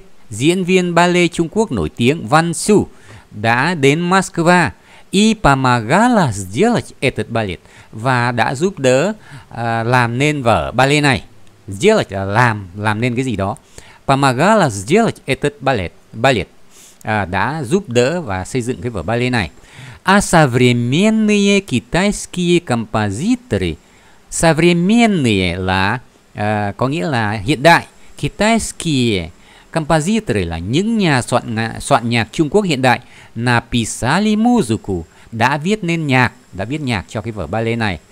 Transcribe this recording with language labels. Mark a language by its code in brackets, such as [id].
[vi] Diễn viên ballet Trung Quốc nổi tiếng Вань Цю đã đến Moscow [ru] и помогала сделать этот балет, [vi] và đã giúp đỡ làm nên vở ballet này. Сделать là làm nên cái gì đó. [ru] Помогала сделать этот балет. [vi] Балет đã giúp đỡ và xây dựng cái vở ballet này. [ru] А современные китайские композиторы, [vi] современные là có nghĩa là hiện đại, [ru] китайские композиторы [vi] là những nhà soạn nhạc Trung Quốc hiện đại, [ru] написали музыку, [vi] đã viết nhạc cho cái vở ballet này.